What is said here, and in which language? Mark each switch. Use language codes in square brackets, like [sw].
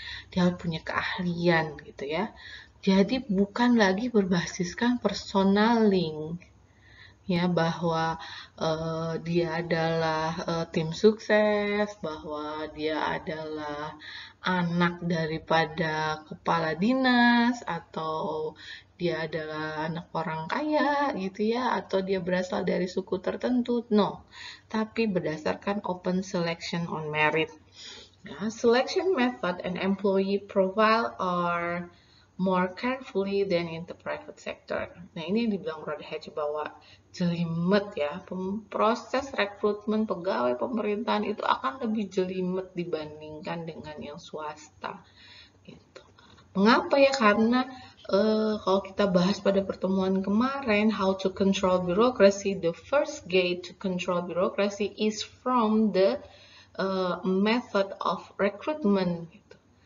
[id] Dia harus punya keahlian gitu ya. Jadi bukan lagi berbasiskan personal link ya, bahwa dia adalah tim sukses, bahwa dia adalah anak daripada kepala dinas, atau dia adalah anak orang kaya gitu ya, atau dia berasal dari suku tertentu. No, tapi berdasarkan [en] open selection on merit. Nah, selection method and employee profile are more carefully than in the private sector. [id] Nah, ini yang dibilang Rodhage bahwa jelimet ya, proses rekrutmen pegawai pemerintahan itu akan lebih jelimet dibandingkan dengan yang swasta. Gitu. Mengapa ya? Karena kalau kita bahas pada pertemuan kemarin, [en] how to control bureaucracy, the first gate to control bureaucracy is from the method of recruitment. [id] Gitu.